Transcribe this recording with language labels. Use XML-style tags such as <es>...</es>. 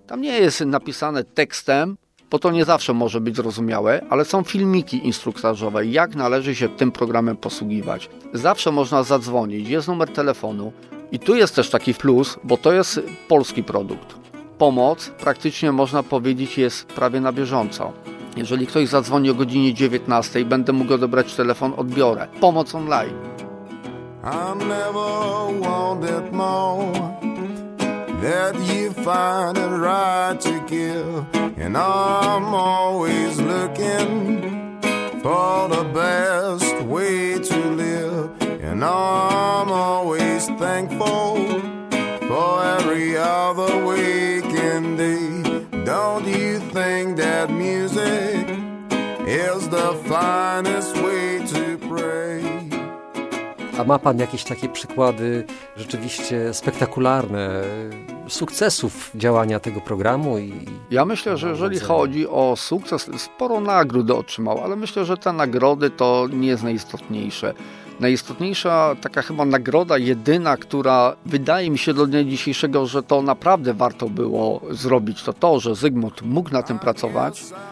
<pl>Tam nie jest napisane tekstem, bo to nie zawsze może być zrozumiałe, ale są filmiki instruktażowe, jak należy się tym programem posługiwać. Zawsze można zadzwonić, jest numer telefonu. I tu jest też taki plus, bo to jest polski produkt. pomoc praktycznie można powiedzieć jest prawie na bieżąco. Jeżeli ktoś zadzwoni o godzinie 19, będę mógł odebrać telefon, odbiorę. Pomoc online.</pl> <en>I never wanted more that you find it right to give, and I'm always looking for the best way to live, and I'm always thankful for every other waking day. Don't you think that music is the finest way to pray?</en> <pl>A ma pan jakieś takie przykłady rzeczywiście spektakularne sukcesów działania tego programu? Ja myślę, że jeżeli chodzi o sukces, sporo nagród otrzymał, ale myślę, że te nagrody to nie jest najistotniejsze. Najistotniejsza taka chyba nagroda, jedyna, która wydaje mi się do dnia dzisiejszego, że to naprawdę warto było zrobić, to, że Zygmunt mógł na tym pracować.</pl>